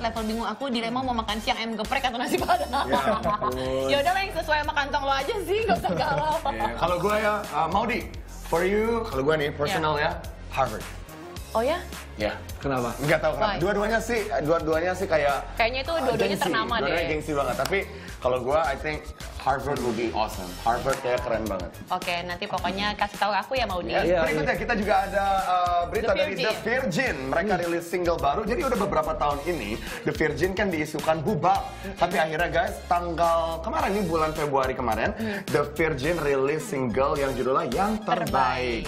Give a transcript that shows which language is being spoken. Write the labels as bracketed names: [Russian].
[Indonesian] Level bingung aku, dilema mau makan siang, ayam geprek atau nasi padang. Ya udah lah yang sesuai sama kantong lo aja sih, gak usah galau. Kalau gue ya, Maudi, [English] for you, [Indonesian] kalau gue nih, personal ya, Harvard. Oh ya? Ya, kenapa? Enggak tahu kenapa. Dua-duanya sih kayak kayaknya itu dua-duanya gengsi, ternama dua-duanya deh. Dua-duanya gengsi banget. Tapi kalau gue, [English] I think Harvard will be awesome. [Indonesian] Harvard kayak keren banget. Oke, nanti pokoknya kasih tahu aku ya, Maudie. Yeah, berikutnya kita juga ada berita The dari The Virgin. Mereka rilis single baru. Jadi udah beberapa tahun ini The Virgin kan diisukan bubar. Tapi akhirnya guys, tanggal kemarin nih, bulan Februari kemarin, The Virgin rilis single yang judulnya Yang Terbaik.